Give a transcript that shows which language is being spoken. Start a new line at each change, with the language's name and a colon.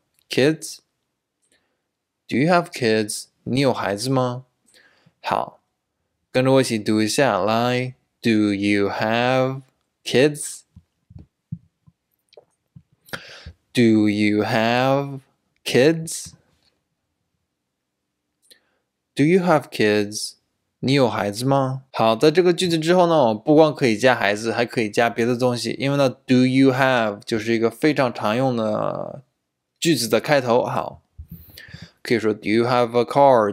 English: kids do you have kids
Chinese: 你有孩子吗好跟着我一起读一下来
English: do you have kids do you have kids Do you have kids?
Chinese: 你有孩子吗？好，在这个句子之后呢，我不光可以加孩子，还可以加别的东西。因为呢 ，
English: Do you have
Chinese: 就是一个非常常用的句子的开头。好，可以说
English: Do you have a car?